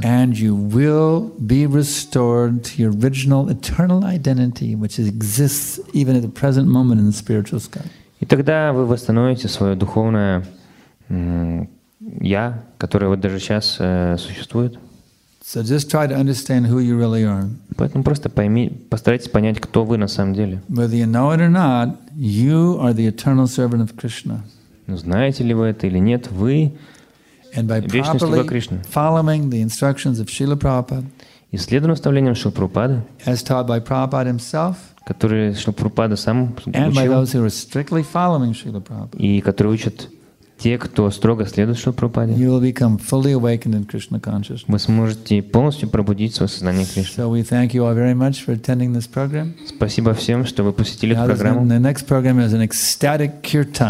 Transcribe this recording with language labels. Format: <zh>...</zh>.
<en>And you will be restored to your original eternal identity, which exists even at the present moment in the spiritual sky.</en> <ru>И тогда вы восстановите свое духовное «я», которое вот даже сейчас существует.</ru> <en>So just try to understand who you really are.</en> <ru>Поэтому просто постарайтесь понять, кто вы на самом деле.</ru> <en>Whether you know it or not, you are the eternal servant of Krishna.</en> <ru>Ну, знаете ли вы это или нет, вы вечный слуга Кришны.</ru> <en>Following the instructions of Srila Prabhupada,</en> <ru>и следуя наставлениям Шрилы Прабхупады,</ru> <en>as taught by Prabhupada himself,</en> <ru>которые Шрила Прабхупада сам учил,</ru> <en>and by those who are strictly following Srila Prabhupada,</en> <ru>и которые учат те, кто строго следует Шрилы Прабхупаде,</ru> <en>you will become fully awakened in Krishna consciousness.</en> <ru>Вы сможете полностью пробудить свое сознание Кришны.</ru> <en>So we thank you all very much for attending this program.</en> <ru>Спасибо всем, что вы посетили эту программу.</ru> <en>The next program is an ecstatic kirtan.</en>